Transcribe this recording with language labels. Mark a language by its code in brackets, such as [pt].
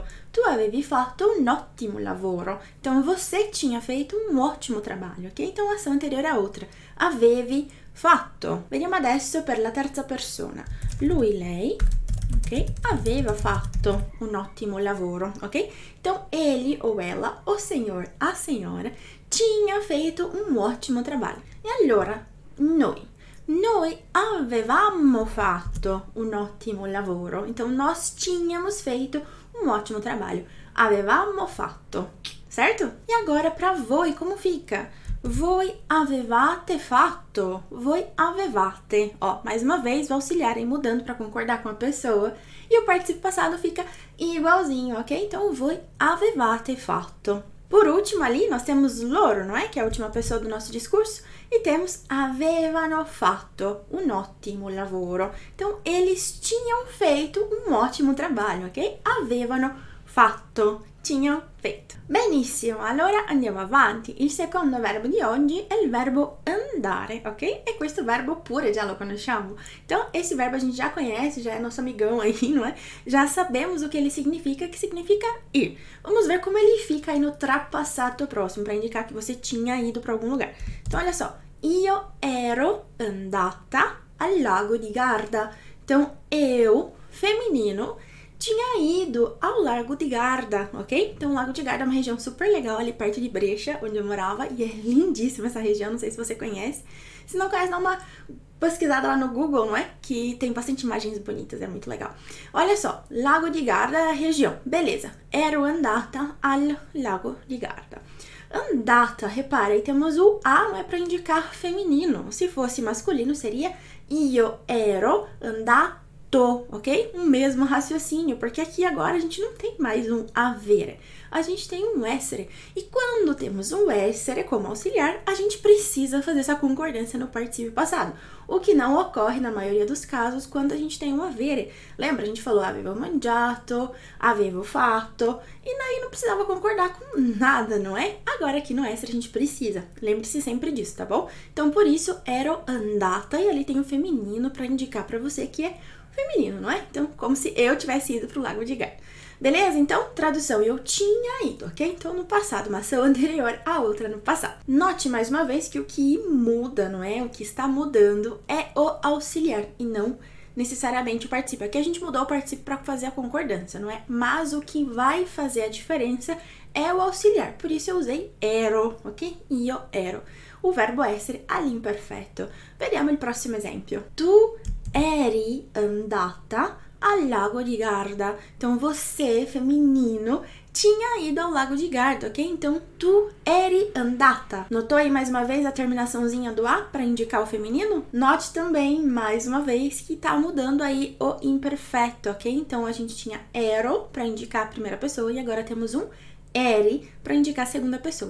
[it] Tu avevi fatto un ottimo lavoro. [pt] Então, você tinha feito um ótimo trabalho, ok? Então, ação anteriore a outra. [it] Avevi fatto. Vediamo adesso per la terza persona. Lui, lei, ok? Aveva fatto un ottimo lavoro, ok? [pt] Então, ele ou ela, o senhor, a senhora, tinha feito un ottimo trabalho. [it] E allora, noi avevamo fatto un ottimo lavoro. [pt] Então, nós tínhamos feito un ottimo trabalho. [it] Avevamo fatto, [pt] certo? E agora, para voi, como fica? [it] Voi avevate fatto, voi avevate, [pt] ó, mais uma vez vou auxiliar aí mudando para concordar com a pessoa e o participio passado fica igualzinho, ok? Então, [it] voi avevate fatto. [pt] Por último, ali nós temos loro, não é? Que é a última pessoa do nosso discurso e temos [it] avevano fatto un ottimo lavoro. [pt] Então, eles tinham feito um ótimo trabalho, ok? Avevano fatto. Tinham feito. [it] Benissimo, allora andiamo avanti. Il secondo verbo di oggi è il verbo andare, ok? E questo verbo pure già lo conosciamo. [pt] Então, esse verbo a gente já conhece, já é nosso amigão aí, não é? Já sabemos o que ele significa, que significa ir. Vamos ver como ele fica aí no trapassato próximo, para indicar que você tinha ido para algum lugar. Então, olha só. [it] Io ero andata al lago di Garda. [pt] Então, eu, feminino, tinha ido ao Largo de Garda, ok? Então, o Largo de Garda é uma região super legal ali perto de Brecha, onde eu morava, e é lindíssima essa região, não sei se você conhece. Se não conhece, dá uma pesquisada lá no Google, não é? Que tem bastante imagens bonitas, é muito legal. Olha só, Largo de Garda é a região. Beleza. [it] Ero andata al Largo de Garda. [pt] Andata, repara, aí temos o A, não é para indicar feminino. Se fosse masculino, seria [it] io ero andata. [pt] Tô, ok? O mesmo raciocínio, porque aqui agora a gente não tem mais um avere, a gente tem um essere. E quando temos um essere como auxiliar, a gente precisa fazer essa concordância no participio passado, o que não ocorre na maioria dos casos quando a gente tem um avere. Lembra? A gente falou [it] avevo mangiato, avevo fatto, [pt] e daí não precisava concordar com nada, não é? Agora aqui no essere a gente precisa. Lembre-se sempre disso, tá bom? Então por isso, [it] ero andata, [pt] e ali tem o feminino para indicar para você que é feminino, não é? Então, como se eu tivesse ido para o Lago de Garda. Beleza? Então, tradução, eu tinha ido, ok? Então, no passado, uma ação anterior à outra no passado. Note mais uma vez que o que muda, não é? O que está mudando é o auxiliar e não necessariamente o participio. Aqui a gente mudou o participio para fazer a concordância, não é? Mas o que vai fazer a diferença é o auxiliar. Por isso eu usei ero, ok? [it] Io ero. O verbo essere all'imperfetto. Vediamo il prossimo esempio. Eri andata al lago di Garda. [pt] Então você, feminino, tinha ido ao lago de Garda, ok? Então [it] tu eri andata. [pt] Notou aí mais uma vez a terminaçãozinha do A para indicar o feminino? Note também mais uma vez que tá mudando aí o imperfeito, ok? Então a gente tinha ero para indicar a primeira pessoa e agora temos um eri para indicar a segunda pessoa.